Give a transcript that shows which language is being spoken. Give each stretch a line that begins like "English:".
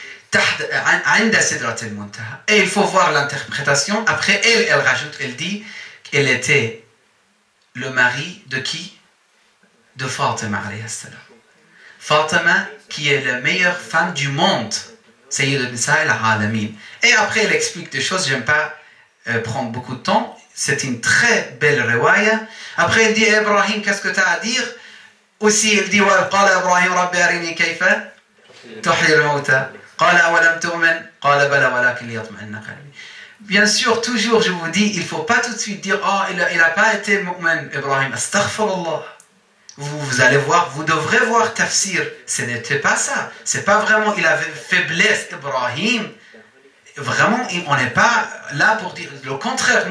Arabic: تحت عند سدرة المنتهى
French: et il faut voir l'interprétation après elle rajoute elle dit qu'elle était le mari de qui de Fatima alayhi salam Fatima, qui est la meilleure femme du monde. Sayyid ibn Sahil al-Alamin. Et après, il explique des choses, je n'aime pas prendre beaucoup de temps. C'est une très belle riwaya. Après, il dit, Ibrahim, qu'est-ce que tu as à dire? Aussi, il dit,
Arabic: وَقَالَ إِبْرَاهِمْ رَبِّ أَرِنِي كَيْفَ تُحْيِي الْمَوْتَى قَالَ أَوَلَمْ تُؤْمِنْ قَالَ بَلَى وَلَكِنْ لِيَطْمَئِنَّ قَلْبِي.
French: Bien sûr, toujours, je vous dis, il ne faut pas tout de suite dire, oh, il n'a pas été mu'min, Ibrahim. Astaghfirullah. Vous allez voir, vous devrez voir tafsir. Ce n'était pas ça. Ce n'est pas vraiment, il avait faiblesse, Ibrahim. Vraiment, on n'est pas là pour dire le contraire.